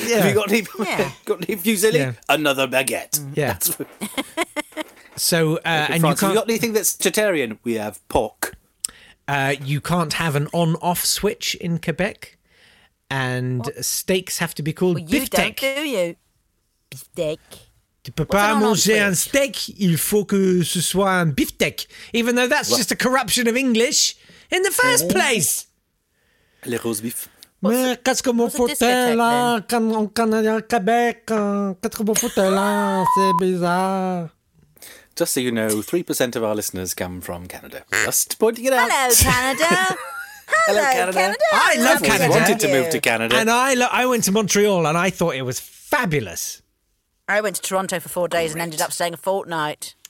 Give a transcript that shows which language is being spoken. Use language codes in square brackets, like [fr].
[en] Yeah. Have you got any, yeah. got any fusilli? Yeah. Another baguette. Yeah. That's so, and you can't... Have you got anything that's vegetarian? We have pork. You can't have an on-off switch in Quebec. And what? Steaks have to be called beefsteak. Well, you don't, do you? Beefsteak. [fr] Tu peux pas manger un steak, il faut que ce soit un beefsteak. [en] Even though that's just a corruption of English in the first place. Les roast beef. [fr] Mais qu'est-ce que mon fauteuil là, en Canada, Québec, qu'est-ce que mon fauteuil là, c'est bizarre. [en] Just so you know, 3% of our listeners come from Canada. Just pointing it out. Hello, Canada. Hello, Canada. I love Canada. I wanted to move to Canada. And I went to Montreal and I thought it was fabulous. I went to Toronto for 4 days and ended up staying a fortnight.